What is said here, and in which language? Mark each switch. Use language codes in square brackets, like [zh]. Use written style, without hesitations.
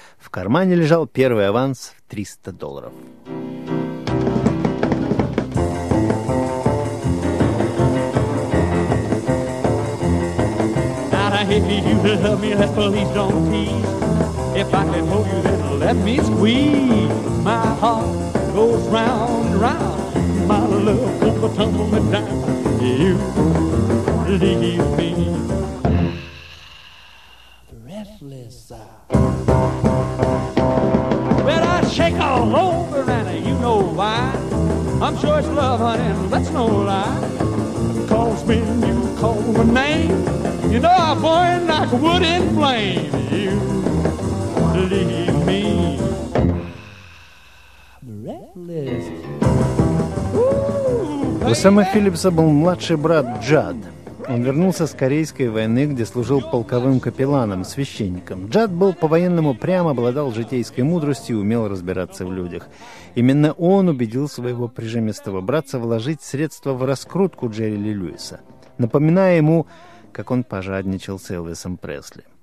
[ru] В кармане лежал первый аванс в $300. [en] My love won't tumble me down. You leave me breathless. Well, I shake all over, and you know why. I'm sure it's love, honey, and that's no lie. Cause when you call my name, you know I burn like wood in flame. You leave me breathless. [ru] У Сэма Филлипса был младший брат Джад. Он вернулся с Корейской войны, где служил полковым капелланом, священником. Джад был по-военному прям, обладал житейской мудростью и умел разбираться в людях. Именно он убедил своего прижимистого братца вложить средства в раскрутку Джерри Ли Льюиса, напоминая ему, как он пожадничал с Элвисом Пресли.